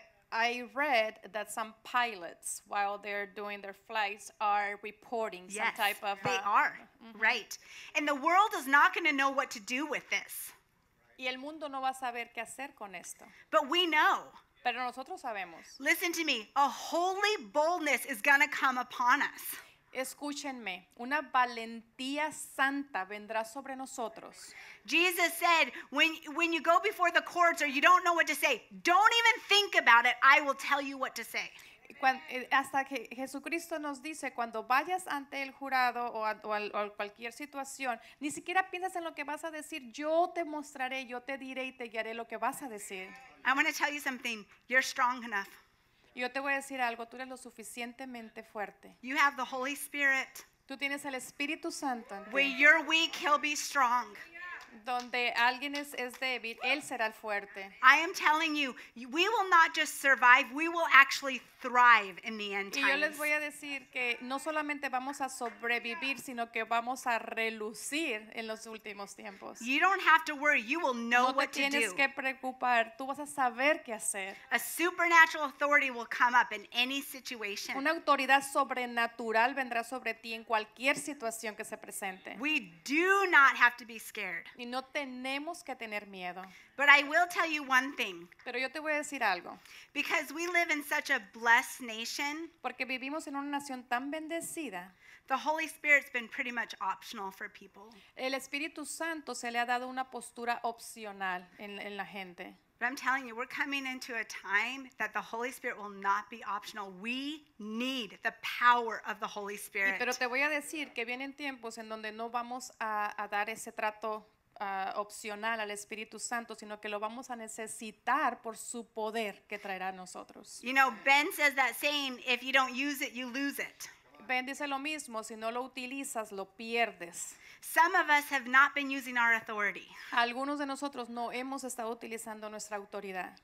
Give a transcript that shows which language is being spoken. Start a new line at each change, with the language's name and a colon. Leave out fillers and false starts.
English: I read that some pilots, while they're doing their flights, are reporting yes, some type of... Yes, they are. Mm-hmm. Right. And the world is not going to know what to do with this.
Spanish: Y el mundo no va a saber qué hacer con esto.
English: But we know.
Spanish: Pero nosotros sabemos.
English: Listen to me. A holy boldness is going to come upon us.
Spanish: Escúchenme, una valentía santa vendrá sobre nosotros.
English: Jesus said, when you go before the courts or you don't know what to say, don't even think about it, I will tell you what to say.
Spanish: hasta que Jesucristo nos dice, cuando vayas ante el jurado o a cualquier situación, ni siquiera piensas en lo que vas a decir. Yo te mostraré, yo te diré y te guiaré lo que vas a decir.
English: I want to tell you something. You're strong enough.
Spanish: Yo te voy a decir algo. Tú eres lo suficientemente fuerte.
English: You have the Holy Spirit.
Spanish: Tú tienes el Espíritu Santo.
English: Where you're weak, He'll be strong.
Spanish: Donde alguien es débil, él será el fuerte.
English: I am telling you, we will not just survive, we will actually thrive in the end times.
Spanish: Y yo les voy a decir que no solamente vamos a sobrevivir, sino que vamos a relucir en los últimos tiempos.
English: You don't have to worry, you will know what to do.
Spanish: No te tienes que preocupar, tú vas a saber qué hacer.
English: A supernatural authority will come up in any situation.
Spanish: Una autoridad sobrenatural vendrá sobre ti en cualquier situación que se presente.
English: We do not have to be scared.
Spanish: Y no tenemos que tener miedo.
English: But I will tell you one thing.
Spanish: Pero yo te voy a decir algo.
English: Because we live in such a blessed nation.
Spanish: Porque vivimos en una nación tan bendecida.
English: The Holy Spirit's been pretty much optional for people.
Spanish: El Espíritu Santo se le ha dado una postura opcional en la gente.
English: But I'm telling you, we're coming into a time that the Holy Spirit will not be optional. We need the power of the Holy Spirit.
Spanish: Pero te voy a decir que vienen tiempos en donde no vamos a dar ese trato opcional al Espíritu Santo, sino que lo vamos a necesitar por su poder que traerá a nosotros.
English: You know, Ben says that saying, if you don't use it, you lose it.
Spanish: Ben dice lo mismo, si no lo utilizas, lo pierdes.
English: Some of us have not been using our authority.
Spanish: Algunos de nosotros no hemos estado utilizando nuestra autoridad.